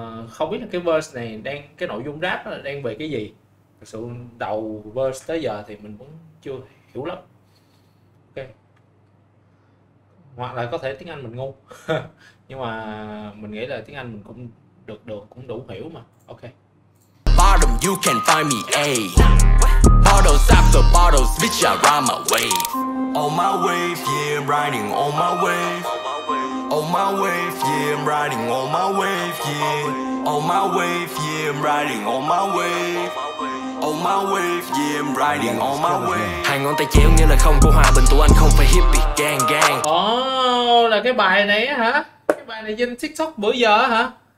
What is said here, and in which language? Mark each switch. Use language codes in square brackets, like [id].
[vi] Không biết là cái verse này đang cái nội dung rap nó đang về cái gì. Thật sự đầu verse tới giờ thì mình cũng chưa hiểu lắm. Ok. Hoặc là có thể tiếng Anh mình ngu. Nhưng mà mình nghĩ là tiếng Anh mình cũng được được cũng đủ hiểu mà. Ok. [en] Bottom, you can find me, ay. Bottles after bottles, bitch, I ride my wave. On my wave, yeah, I'm riding on my wave. On my wave, yeah, I'm riding on my wave, yeah. On my wave, yeah, I'm riding on my wave. On my wave, yeah, I'm riding on my wave. [vi] Hai ngón tay chéo nghĩa là không có hòa bình, tụi anh không phải hippie, [en] gang gang. [vi] Oh, là cái bài này hả? Cái bài này trên TikTok bữa giờ hả?